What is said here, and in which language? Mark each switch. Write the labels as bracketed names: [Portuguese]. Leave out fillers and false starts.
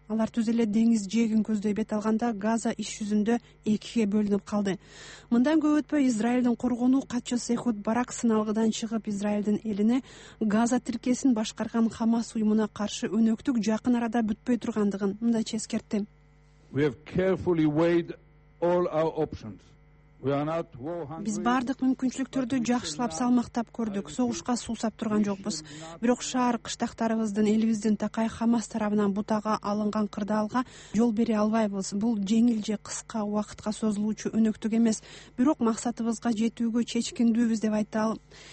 [Kyrgyz] Алар түз эле деңиз жээгин көздөй бет алганда Газа иш жүзүндө экиге бөлүнүп калды. Мындан көп өтпөй Израилдин коргонуу катчысы Эхуд Барак сыналгыдан чыгып Израилдин элине Газа тилкесин башкарган Хамас уюмуна каршы өнөктүк жакын арада бүтпөй тургандыгын мындайча эскертти. [English] We have carefully weighed all our options. [Kyrgyz] Биз бардык мүмкүнчүлүктөрдү жакшылап салмактап көрдүк. Согушка суусап турган жокпуз. Бирок шаар кыштактарыбыздын, элибиздин такай Хамас тарабынан бутага алынган кырдаалга жол бере албайбыз. Бул жеңил же кыска убакытка созулуучу өнөктүк эмес, бирок максатыбызга жетүүгө чечкиндүүбүз деп айта ал.